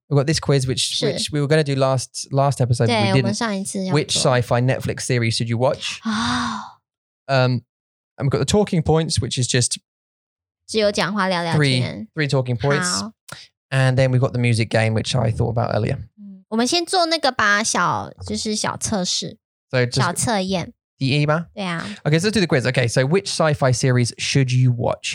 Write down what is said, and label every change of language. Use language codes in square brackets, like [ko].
[en] We've got this quiz, which we were going to do last episode, but we didn't. [zh] 我们上一次要做. [en] Which sci-fi Netflix series should you watch? And we've got the talking points, which is just [zh] 只有讲话聊聊天. [en] Three talking points. [zh] 好. [en] And then we've got the music game, which I thought about earlier. [zh] 我们先做那个吧,小, 就是小测试, [en] so just, [zh] 小测验. D-E吗? 对啊. [en] Okay, so let's do the quiz. Okay, so which sci-fi series should you watch?